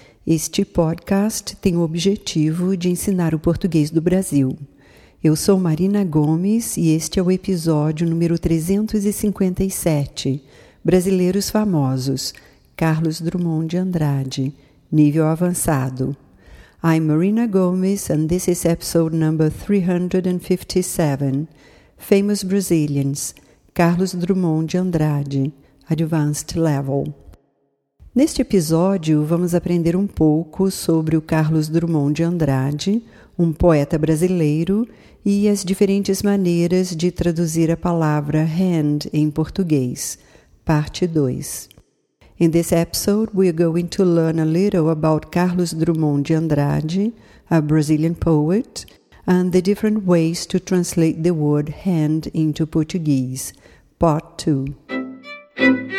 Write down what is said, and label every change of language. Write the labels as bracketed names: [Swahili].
[Portuguese] Este podcast tem o objetivo de ensinar o português do Brasil. Eu sou Marina Gomes e este é o episódio número 357, Brasileiros Famosos, Carlos Drummond de Andrade, nível avançado. [English] I'm Marina Gomes, and this is episode number 357, Famous Brazilians, Carlos Drummond de Andrade, Advanced Level. [Portuguese] Neste episódio, vamos aprender um pouco sobre o Carlos Drummond de Andrade, um poeta brasileiro, e as diferentes maneiras de traduzir a palavra hand em português, parte 2. [English] In this episode, we are going to learn a little about Carlos Drummond de Andrade, a Brazilian poet, and the different ways to translate the word hand into Portuguese, part 2.